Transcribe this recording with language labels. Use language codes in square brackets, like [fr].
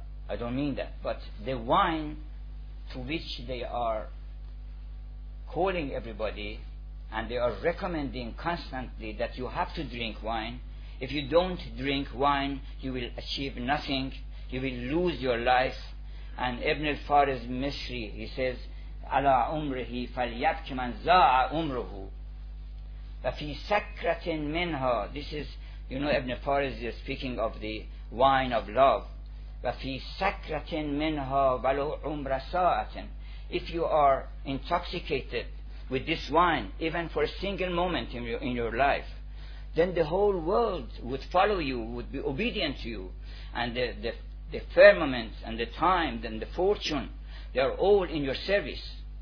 [en] I don't mean that, but the wine to which they are calling everybody, and they are recommending constantly that you have to drink wine. If you don't drink wine, you will achieve nothing, you will lose your life. And Ibn al-Fariz Misri, he says, [ar] عَلَىٰ عُمْرِهِ فَلْيَبْكِ مَنْ زَاعَ عُمْرُهُ وَفِي سَكْرَةٍ مِنْهَا. [en] This is, you know, Ibn al-Fariz is speaking of the wine of love. [ar] وَفِي سَكْرَةٍ مِنْهَا وَلُوْ عُمْرَ سَاعَةٍ. [en] If you are intoxicated with this wine, even for a single moment in your life, then the whole world would follow you, would be obedient to you, and the firmament and the time and the fortune, they are all in your service.